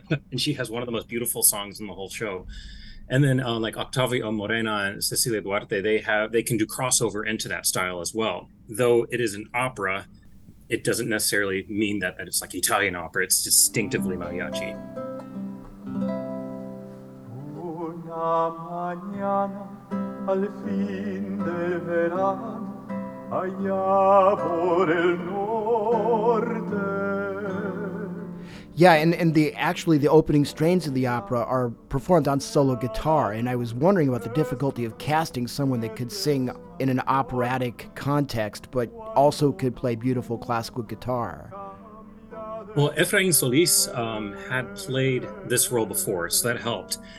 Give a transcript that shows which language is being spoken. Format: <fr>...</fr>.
<en>And she has one of the most beautiful songs in the whole show. And then like Octavio Morena and Cecilia Duarte, they can do crossover into that style as well. Though it is an opera, it doesn't necessarily mean that it's like Italian opera. It's distinctively mariachi.</en> <es>La mañana, al fin del verano, allá por el norte.</es> <en>Yeah, and the opening strains of the opera are performed on solo guitar, and I was wondering about the difficulty of casting someone that could sing in an operatic context, but also could play beautiful classical guitar. Well, Efrain Solis had played this role before, so that helped.</en>